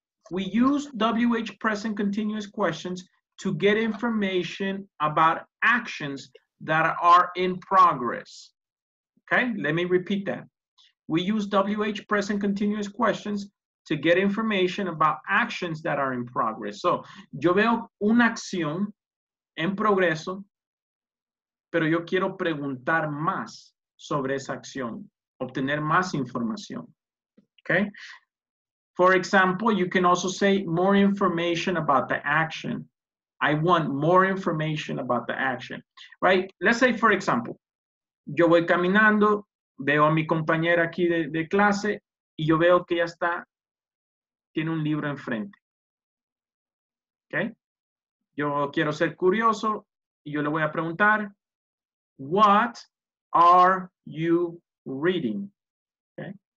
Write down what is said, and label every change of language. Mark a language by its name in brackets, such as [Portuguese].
[English] We use WH present continuous questions to get information about actions that are in progress. Okay, let me repeat that. We use WH present continuous questions to get information about actions that are in progress. [Spanish] So, yo veo una acción en progreso, pero yo quiero preguntar más sobre esa acción, obtener más información. [English] Okay? For example, you can also say more information about the action. I want more information about the action. Right? [Spanish] Let's say, for example, yo voy caminando, veo a mi compañera aquí de clase y yo veo que ella está, tiene un libro enfrente. Okay? Yo quiero ser curioso y yo le voy a preguntar, [English] what are you reading? Okay?